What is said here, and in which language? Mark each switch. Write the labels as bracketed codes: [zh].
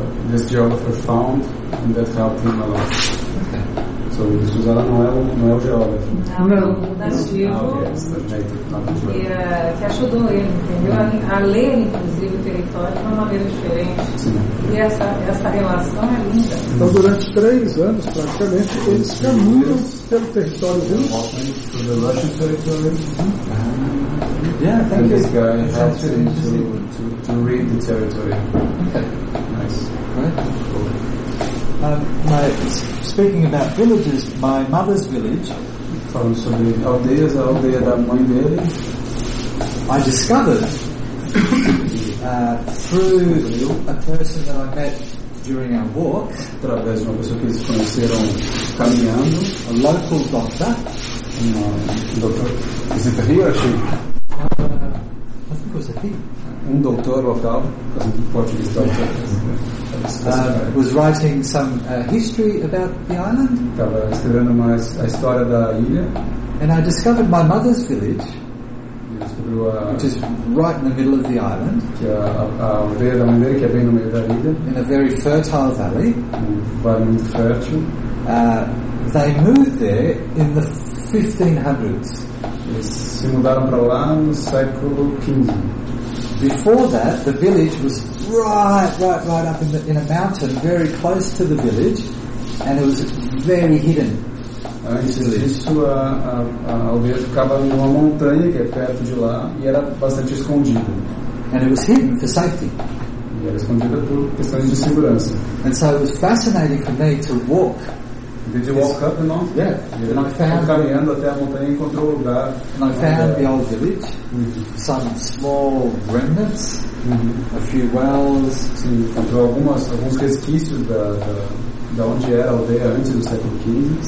[en] This geographer found, and that helped him a lot. Okay. So [pt] sobre o Deus, ela não é o geógrafo. Não, nativo que ajudou ele, entendeu? A ler, inclusive, o território de uma maneira diferente. Sim. E essa relação é linda. Então, durante 3 anos, praticamente, eles caminham pelo território de um [en] Yeah, thank you. This guy helps him to read the territory. Okay. Nice. Right? Cool. Speaking about villages, my mother's village. [pt] Falando sobre aldeias, a aldeia da mãe dele. [en] I discovered through a person that I met during our walk. [pt] Através de uma pessoa que eles conheceram caminhando. [en] A local doctor. Doctor. Is it here or she? [pt] Um doutor local, [en] Portuguese doctor, was writing some history about the island. [pt] Estava escrevendo a história da ilha. [en] And I discovered my mother's village, which is right in the middle of the island. [pt] Que é a aldeia da mulher, que é bem no meio da ilha. [en] In a very fertile valley. [pt] Um vale muito fértil. [en] They moved there in the 1500s. [pt] Eles se mudaram para lá no século 15. [en] Before that, the village was right up in a mountain, very close to the village, and it was very hidden. [pt] Antes disso, a aldeia ficava em uma montanha que é perto de lá e era bastante escondida. [en] And it was hidden for safety. [pt] E era escondida por questões de segurança. [en] And so it was fascinating for me to walk. Did you walk up the mountain? Yeah. [pt] Ele caminhando até a montanha encontrou o lugar. [en] And I found the old village. Some small remnants. A few wells. [pt] Encontrou alguns resquícios da onde era a aldeia antes do século XV.